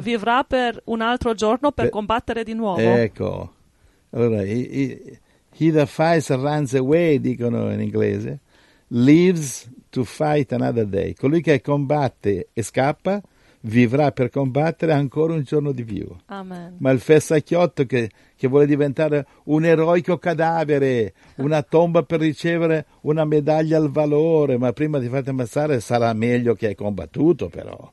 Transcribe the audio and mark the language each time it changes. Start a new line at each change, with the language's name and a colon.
Italian: vivrà per un altro giorno per combattere di nuovo. Ecco.
English: Allora, he that fights and runs away,
Italian: dicono in inglese,
English: lives to fight another day.
Italian: Colui che combatte e scappa, vivrà per combattere ancora un giorno di più. Amen. Ma il fessacchiotto che vuole diventare un eroico cadavere, una tomba per ricevere una medaglia al valore, ma prima di farti ammazzare sarà meglio che hai combattuto però.